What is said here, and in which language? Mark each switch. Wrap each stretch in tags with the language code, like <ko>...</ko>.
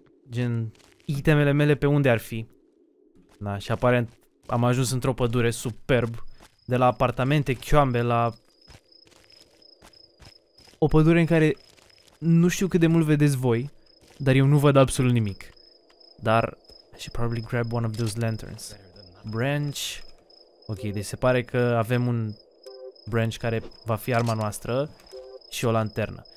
<ro>Gen, itemele mele pe unde ar fi? Da, și aparent am ajuns într-o pădure superb, de la apartamente chioambe la o pădure în care nu știu cât de mult vedeți voi, dar eu nu văd absolut nimic. Dar</ro> <en>I should probably grab one of those lanterns. Branch.</en> <ro>Ok, deci se pare că avem un branch care va fi arma noastră și o lanternă.</ro>